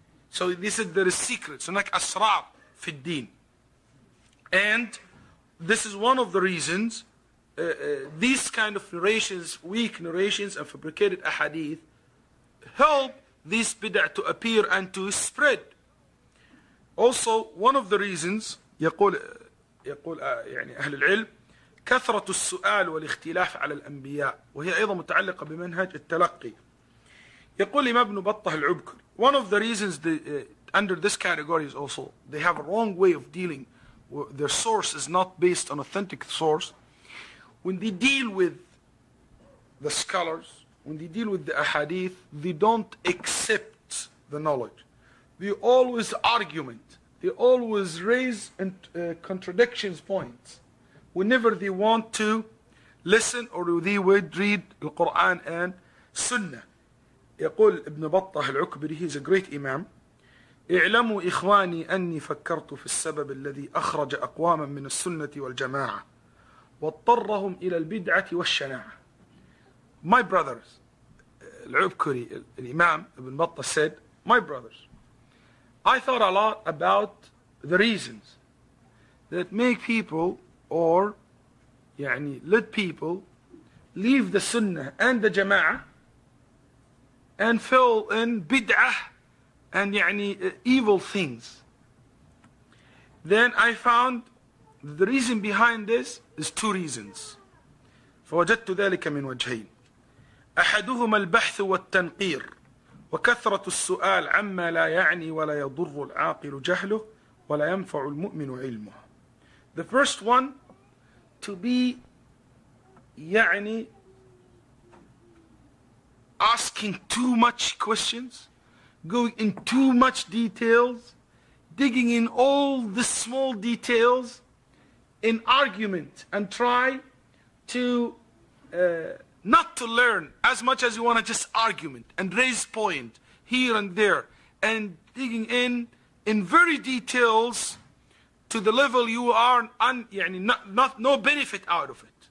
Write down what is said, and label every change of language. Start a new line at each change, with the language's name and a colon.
English: So they said there is secrets. And like
Arabic: asrar fi deen.
English: And this is one of the reasons these kind of narrations, weak narrations and fabricated ahadith help these bid'ah to appear and to spread. Also, one of the reasons,
Arabic: يقول يعني أهل العلم كثرة السؤال والاختلاف على الأنبياء وهي أيضا متعلقة بمنهج التلقي. يقول إمام ابن بطه العبكر,
English: one of the reasons under this category is also they have a wrong way of dealing. Their source is not based on authentic source. When they deal with the scholars, when they deal with the ahadith, they don't accept the knowledge. They always argument. They always raise contradictions points. Whenever they want to listen or they would read the Quran and Sunnah.
Arabic: يقول ابن بطه العكبري,
English: he's a great imam.
Arabic: اعلموا إخواني أني فكرت في السبب الذي أخرج أقواما من السنة والجماعة واضطرهم إلى البدعة والشناعة.
English: My brothers, العبكري, الإمام ابن بطة said, my brothers, I thought a lot about the reasons that make people or يعني let people leave the Sunnah and the جماعة and fall in بدعة and يعني evil things. Then I found the reason behind this is two reasons.
Arabic: فوجدت ذلك من وجهين. أحدهما البحث والتنقير وكثرة السؤال عما لا يعني ولا يضر العاقل جهله ولا ينفع المؤمن علمه.
English: The first one, to be يعني asking too much questions going in too much details, digging in all the small details in argument and try to not to learn as much as you want to just argument and raise point here and there and digging in very details to the level you are no benefit out of it.